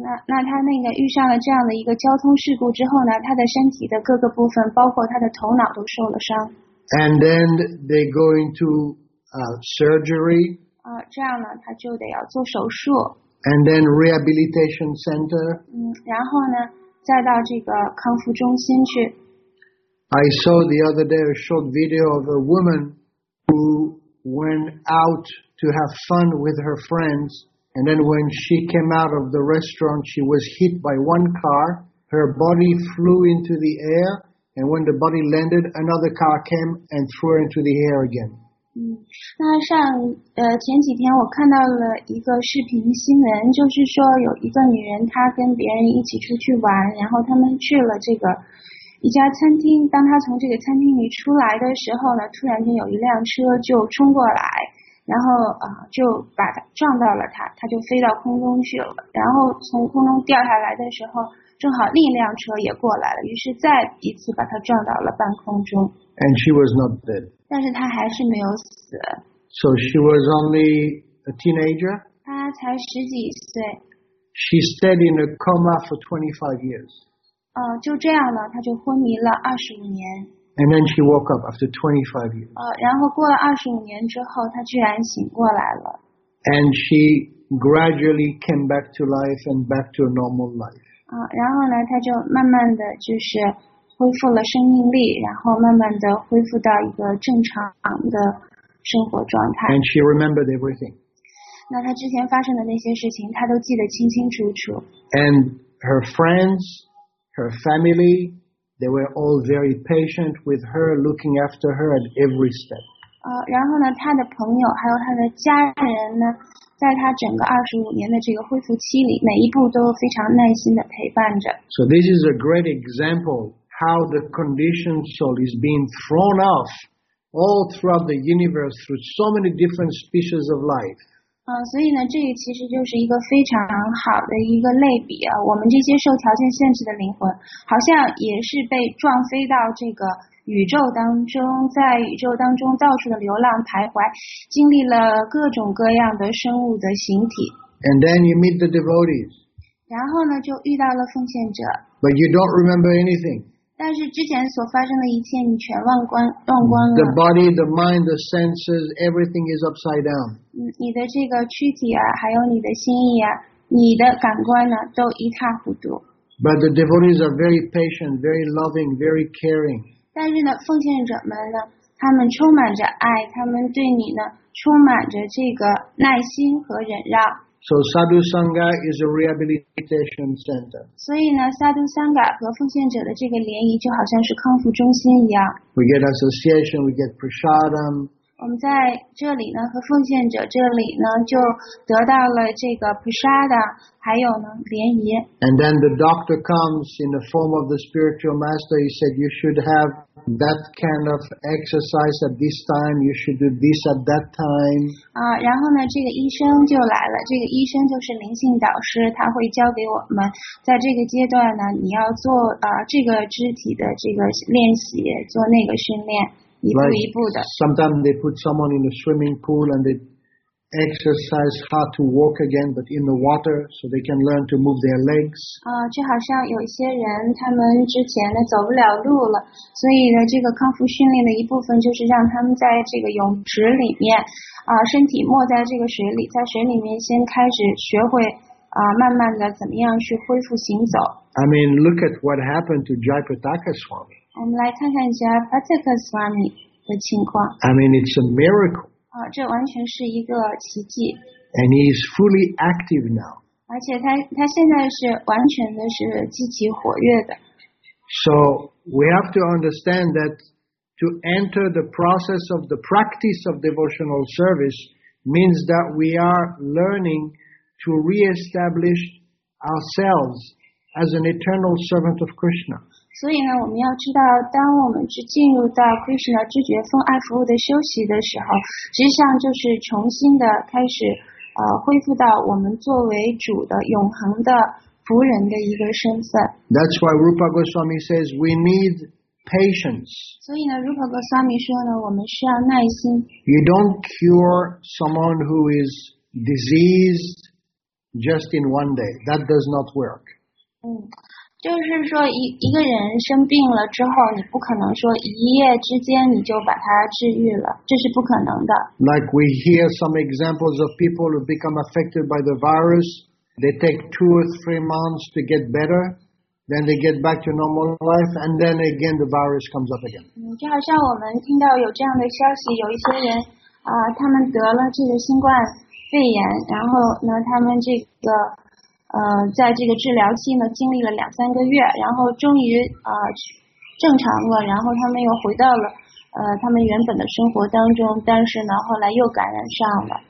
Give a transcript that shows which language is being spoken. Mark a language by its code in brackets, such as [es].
[zh] 那他那个遇上了这样的一个交通事故之后呢，他的身体的各个部分，包括他的头脑都受了伤。 [en] And then they go into surgery. [zh] 这样呢，他就得要做手术。 [en] And then rehabilitation center. [zh] 然后呢，再到这个康复中心去。 [en] I saw the other day a short video of a woman who went out to have fun with her friends, and then when she came out of the restaurant, she was hit by one car. Her body flew into the air, and when the body landed, another car came and threw her into the air again. [zh] 那上前几天我看到了一个视频新闻，就是说有一个女人她跟别人一起出去玩，然后他们去了这个一家餐厅，当她从这个餐厅里出来的时候呢，突然间有一辆车就冲过来，然后就把她撞到了，她就飞到空中去了，然后从空中掉下来的时候正好另一辆车也过来了，于是再一次把她撞到了半空中。 [en] And she was not dead. [zh] 但是她还是没有死。 [en] So she was only a teenager. [zh] 她才十几岁。 [en] She stayed in a coma for 25 years. [zh] 就这样呢，她就昏迷了25年。 [en] And then she woke up after 25 years. [zh] 然后过了25年之后，她居然醒过来了。 [en] And she gradually came back to life and back to a normal life. [zh] 然后呢，她就慢慢的就是恢复了生命力，然后慢慢的恢复到一个正常的生活状态。 [en] And she remembered everything. [zh] 那她之前发生的那些事情，她都记得清清楚楚。 [en] And her friends, her family, they were all very patient with her, looking after her at every step. [zh] 然后呢，她的朋友还有她的家人呢，在他整个25年的这个恢复期里，每一步都非常耐心的陪伴着。 [en] So this is a great example how the conditioned soul is being thrown off all throughout the universe through so many different species of life. [zh] 所以呢，这个其实就是一个非常好的一个类比啊。我们这些受条件限制的灵魂，好像也是被撞飞到这个。宇宙当中，在宇宙当中到处的流浪徘徊，经历了各种各样的生物的形体。 [en] And then you meet the devotees. [zh] 然后呢，就遇到了奉献者。 [en] But you don't remember anything. [zh] 但是之前所发生的一切，你全忘光了。 [en] The body, the mind, the senses, everything is upside down. [zh] 你的这个躯体啊，还有你的心意啊，你的感官呢，都一塌糊涂。 [en] But the devotees are very patient, very loving, very caring. [zh] 但是呢，奉献者们呢，他们充满着爱，他们对你呢，充满着这个耐心和忍让。 [en] So Sadhu Sangha is a rehabilitation center. [zh] 所以呢，萨杜桑嘎和奉献者的这个联谊就好像是康复中心一样。 [en] We get association, we get prasadam. [zh] 我们在这里呢，和奉献者这里呢，就得到了这个 prasadam， 还有呢联谊。 [en] And then the doctor comes in the form of the spiritual master. He said you should have that kind of exercise at this time. You should do this at that time. [zh] 然后呢，这个医生就来了。这个医生就是灵性导师，他会教给我们，在这个阶段呢，你要做这个肢体的这个练习，做那个训练。 [en] Like sometimes they put someone in a swimming pool and they exercise how to walk again, but in the water, so they can learn to move their legs. [zh] 就好像有一些人，他们之前呢走不了路了，所以呢，这个康复训练的一部分就是让他们在这个泳池里面，身体没在这个水里，在水里面先开始学会，慢慢的怎么样去恢复行走。 [en] I mean, look at what happened to Jayaprataka Swami. [zh] 我们来看看一下 Pratika Swami 的情况。 [en] I mean, it's a miracle. [zh] 这完全是一个奇迹。 [en] And he is fully active now. [zh] 而且他现在是完全的是积极活跃的。 [en] So we have to understand that to enter the process of the practice of devotional service means that we are learning to reestablish ourselves as an eternal servant of Krishna. [zh] 所以呢，我们要知道，当我们去进入到 Krishna 知觉奉爱服务的修习的时候，实际上就是重新的开始，恢复到我们作为主的永恒的仆人的一个身份。 [en] That's why Rupa Goswami says we need patience. [zh] 所以呢 ，Rupa Goswami 说呢，我们需要耐心。 [en] You don't cure someone who is diseased just in one day. That does not work. [zh] 就是说一个人生病了之后，你不可能说一夜之间你就把他治愈了，这是不可能的。 [en] Like we hear some examples of people who become affected by the virus, they take 2 or 3 months to get better, then they get back to normal life, and then again the virus comes up again. [zh] 就好像我们听到有这样的消息，有一些人他们得了这个新冠肺炎，然后呢，他们这个。在这个治疗期呢，经历了2-3个月，然后终于正常了，然后他们又回到了他们原本的生活当中，但是呢，后来又感染上了。